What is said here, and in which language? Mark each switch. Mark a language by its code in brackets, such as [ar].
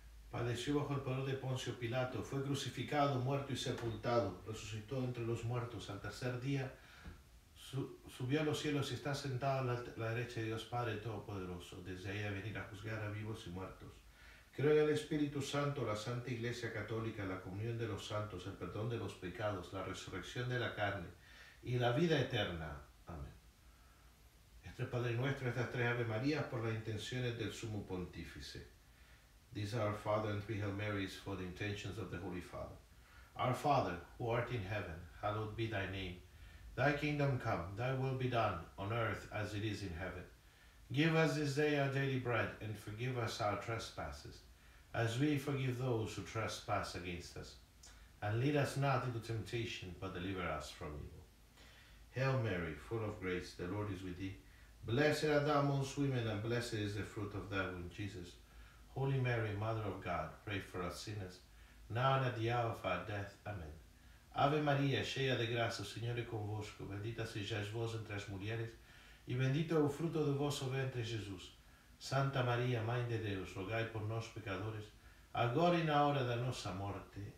[es] Padeció bajo el poder de Poncio Pilato, fue crucificado, muerto y sepultado, resucitó entre los muertos al tercer día, subió a los cielos y está sentado a la derecha de Dios Padre Todopoderoso, desde ahí a venir a juzgar a vivos y muertos. Creo en el Espíritu Santo, la Santa Iglesia Católica, la comunión de los santos, el perdón de los pecados, la resurrección de la carne y la vida eterna. Amén. Este Padre nuestro, estas tres Ave Marías, por las intenciones del Sumo Pontífice. [en] These are our Father and three Hail Marys for the intentions of the Holy Father. Our Father, who art in heaven, hallowed be thy name. Thy kingdom come, thy will be done, on earth as it is in heaven. Give us this day our daily bread, and forgive us our trespasses, as we forgive those who trespass against us. And lead us not into temptation, but deliver us from evil. Hail Mary, full of grace, the Lord is with thee. Blessed art thou amongst women, and blessed is the fruit of thy womb, Jesus. Holy Mary, Mother of God, pray for us sinners, now and at the hour of our death. Amen. [pt] Ave Maria, cheia de graça, o Senhor é convosco. Bendita sejais vós entre as mulheres, e bendito é o fruto do vosso ventre, Jesus. Santa Maria, Mãe de Deus, rogai por nós, pecadores, agora e na hora da nossa morte.